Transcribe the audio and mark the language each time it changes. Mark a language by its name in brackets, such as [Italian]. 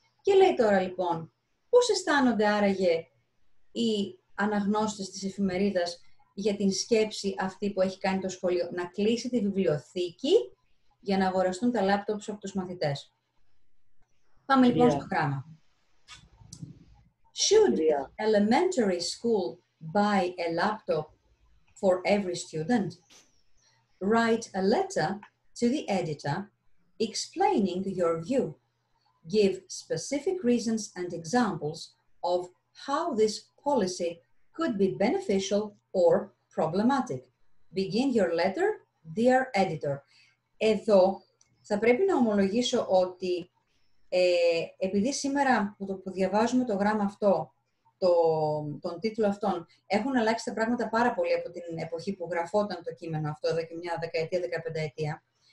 [Greek] Και λέει τώρα λοιπόν, πώς αισθάνονται άραγε οι αναγνώστες της εφημερίδας για την σκέψη αυτή που έχει κάνει το σχολείο να κλείσει τη βιβλιοθήκη για να αγοραστούν τα λάπτοπς από τους μαθητές. Πάμε yeah. λοιπόν στο γράμμα. Should yeah. [English] elementary school buy a laptop for every student? Write a letter to the editor explaining your view. Give specific reasons and examples of how this policy could be beneficial or problematic. Begin your letter, dear editor. [Greek] Εδώ θα πρέπει να ομολογήσω ότι επειδή σήμερα που διαβάζουμε το γράμμα αυτό, τον τίτλο αυτόν, έχουν αλλάξει τα πράγματα πάρα πολύ από την εποχή που γραφόταν το κείμενο αυτό, εδώ και μια δεκαετία, δεκαπενταετία.